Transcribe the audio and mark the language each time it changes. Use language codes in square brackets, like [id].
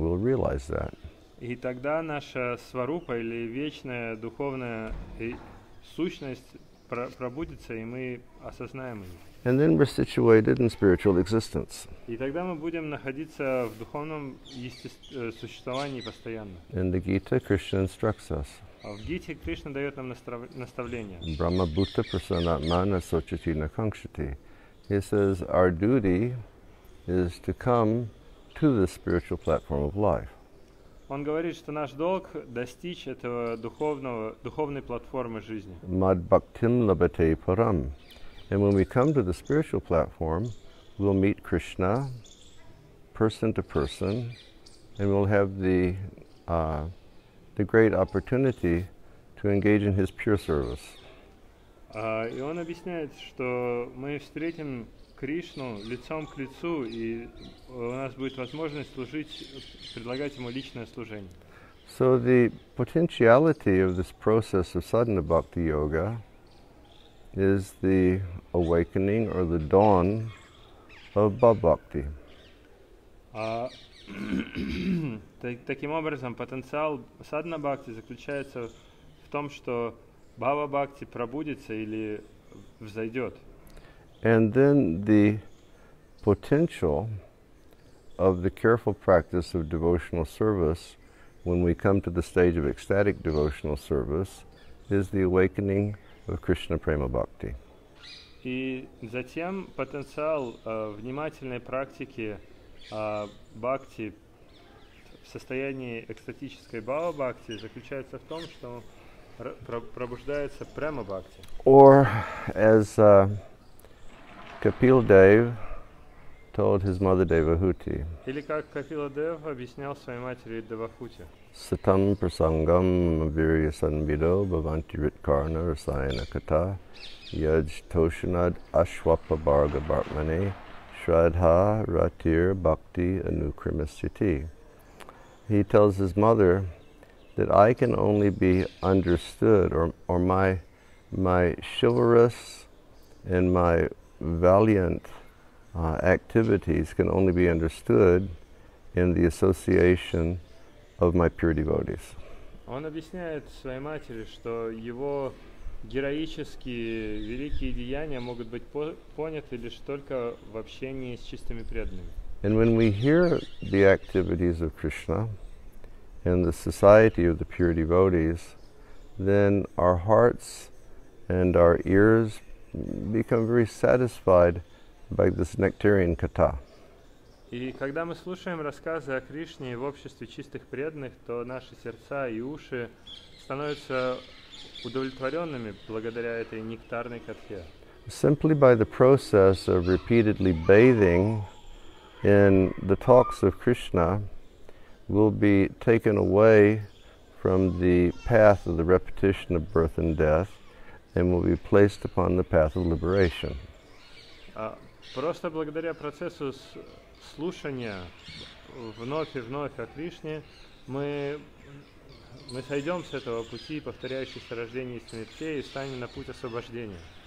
[en] We'll realize that. [ru] И тогда наша сварупа или вечная духовная сущность пробудится, и мы осознаем ее. [en] And then we're situated in spiritual existence. [ru] И тогда мы будем находиться в духовном существовании постоянно. [en] In the Gita, Krishna instructs us. [ru] В Гите Кришна дает нам наставление. [sa] Brahma Bhuta Prasannatmana Sochati Nakankshati. [en] He says, our duty is to come to the spiritual platform of life. [ru] Он говорит, что наш долг — достичь этого духовной платформы жизни. [sa] Mad bhaktim labhate param. [en] And when we come to the spiritual platform, we'll meet Krishna person to person, and we'll have the great opportunity to engage in his pure service. [ru] И он объясняет, что мы встретим Кришну лицом к лицу, и у нас будет возможность служить, предлагать ему личное служение. [en] So the potentiality of this process of sadhana bhakti yoga is the awakening or the dawn of bhava bhakti. [ru] Таким образом, потенциал sadhana bhakti заключается в том, что Бхава Бхакти пробудится или взойдет. [en] And then the potential of the careful practice of devotional service, when we come to the stage of ecstatic devotional service, is the awakening of Krishna Prema Bhakti. [ru] И затем потенциал внимательной практики бхакти в состоянии экстатической бхава-бхакти заключается в том, что пробуждается према-бхакти. [en] Or as Kapil Dev told his mother Devahuti. [ru] Или как Капила Дев объяснял своей матери Девахути. [sa] Satam prasangam virasanvido bhavanti ritkarna rasayana kata yaj toshinad ashwapa bharga bhartmane shraddha ratir bhakti anukrimasiti. [en] He tells his mother that I can only be understood, or my chivalrous and my valiant activities can only be understood in the association of my pure devotees. [ru] Он объясняет своей матери, что его героические великие деяния могут быть поняты лишь только в общении с чистыми преданными. [en] And when we hear the activities of Krishna in the society of the pure devotees, then our hearts and our ears become very satisfied by this nectarian katha. [ru] И когда мы слушаем рассказы о Кришне в обществе чистых преданных, то наши сердца и уши становятся удовлетворенными благодаря этой нектарной катхе. [en] Simply by the process of repeatedly bathing in the talks of Krishna will be taken away from the path of the repetition of birth and death and will be placed upon the path of liberation. [ru] Просто благодаря процессу слушания вновь и вновь о Кришне мы сойдем с этого пути, повторяющегося рождения и смерти, и станем на путь освобождения.